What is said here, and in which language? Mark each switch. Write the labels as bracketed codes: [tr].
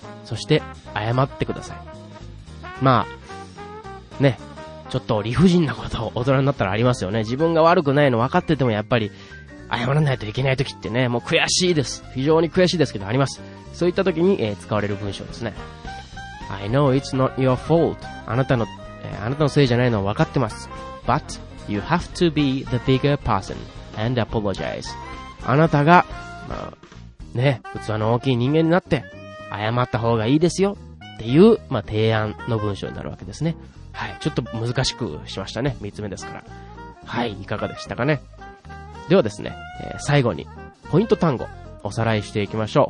[ja] そして、謝ってください。まあ、ね、ちょっと理不尽なことを大人になったらありますよね。自分が悪くないの分かっててもやっぱり、謝らないといけない時ってね、もう悔しいです。非常に悔しいですけど、あります。そういった時に、使われる文章ですね。 [en] I know it's not your fault. [ja] あなたのせいじゃないのは分かってます。 [en] But you have to be the bigger person and apologize. [ja] あなたが、まあ、ね、器の大きい人間になって謝った方がいいですよっていう、まあ、提案の文章になるわけですね。はい。ちょっと難しくしましたね。三つ目ですから。はい。いかがでしたかね。ではですね、最後にポイント単語おさらいしていきましょう。